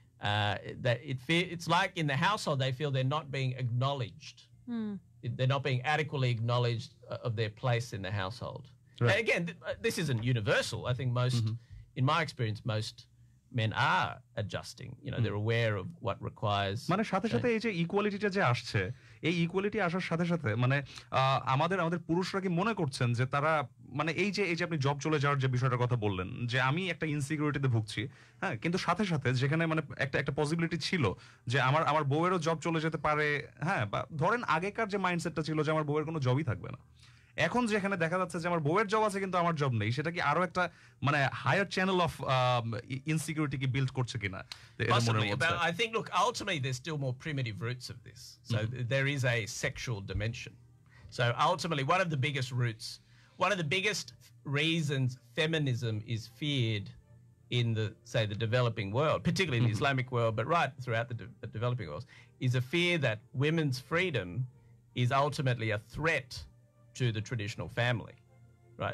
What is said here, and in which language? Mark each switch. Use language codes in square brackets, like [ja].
[en] It's like in the household, they feel they're not being acknowledged. They're not being adequately acknowledged of their place in the household. Right. And again, this isn't universal. I think most, in my experience, most men are adjusting. You know, they're aware of what requires. [bn] মানে সাথে সাথে এই যে ইকুয়ালিটিটা যে আসছে, এই equality আসার সাথে সাথে মানে আমাদের আমাদের পুরুষরা কি মনে করছেন যে তারা মানে এই যে আপনি জব চলে যাওয়ার যে বিষয়টার কথা বললেন যে আমি একটা ইনসিকিউরিটিতে ভুগছি, হ্যাঁ, কিন্তু সাথে সাথে যেখানে মানে একটা একটা পসিবিলিটি ছিল যে আমার আমার বউয়েরও জব চলে যেতে পারে, হ্যাঁ, বা ধরেন আগেকার যে মাইন্ডসেটটা ছিল যে আমার বউয়ের কোনো জবই থাকবে না, এখন যেখানে দেখা যাচ্ছে যে আমার বউয়ের জব আছে কিন্তু আমার জব নেই, সেটা কি আরো একটা মানে [en] higher channel of insecurity [bn] কি বিল্ড করছে কিনা? [en] I think, look, ultimately there's still more primitive roots of this. So there is a sexual dimension. So ultimately one of the biggest roots, one of the biggest reasons feminism is feared in the, say, the developing world, particularly in the Islamic world, but right throughout the developing world, is a fear that women's freedom is ultimately a threat to the traditional family, right?